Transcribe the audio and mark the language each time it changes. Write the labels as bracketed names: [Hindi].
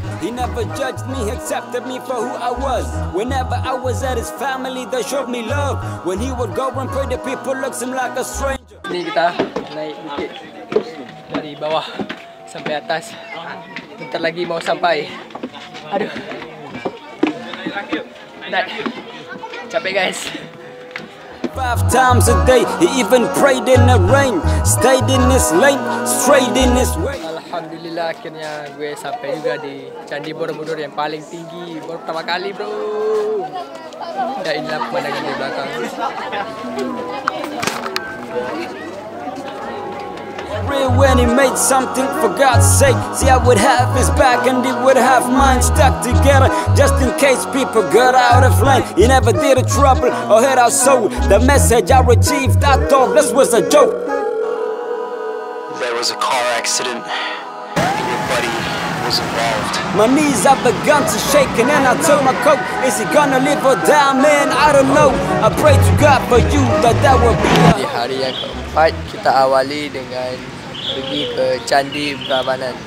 [English] He never judged me, accepted me for who I was. Whenever I was at his family, they showed me love. When he would go and pray, the people looked him like a stranger. [Indonesian] Ini kita naik bukit dari bawah sampai atas. Bentar lagi mau sampai. Aduh. Dah. Capek guys. [English] 5 times a day, he even prayed in the rain. Stayed in his lane, straight in his way. [Indonesian] Alhamdulillah akhirnya gue sampai juga di Candi Borobudur yang paling tinggi. Baru pertama kali bro. Dan inilah pemandangan di belakang. [English] When he made something for God's sake, see I would have his back and he would have mine stuck together, just in case people got out of line. He never did a trouble or hurt our soul. The message I received, I thought this was a joke. There was a car accident and your buddy was involved. My knees have begun to shake and then I told my coach, is he gonna live or die, man? I don't know. I pray to God for you that that will be a... [Indonesian] Di hari yang keempat, kita awali dengan pergi ke Candi Brahmanan.